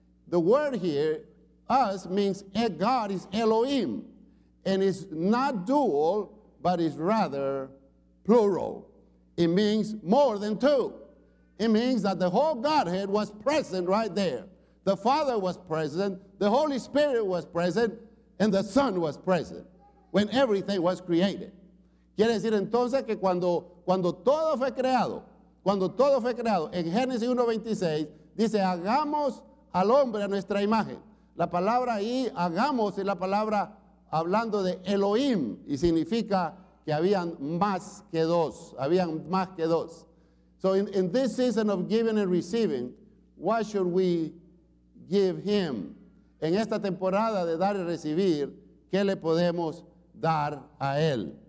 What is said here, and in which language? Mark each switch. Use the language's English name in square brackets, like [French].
[English] The word here, us, means God is Elohim, and it's not dual, but it's rather plural. It means more than two. It means that the whole Godhead was present right there. The Father was present, the Holy Spirit was present, and the Son was present when everything was created. [Spanish] Quiere decir entonces que cuando todo fue creado, en Génesis 1:26, dice, hagamos al hombre a nuestra imagen. La palabra ahí, hagamos, es la palabra hablando de Elohim, y significa que habían más que dos. [English] So in this season of giving and receiving, what should we give him? [Spanish] En esta temporada de dar y recibir, ¿qué le podemos dar a él?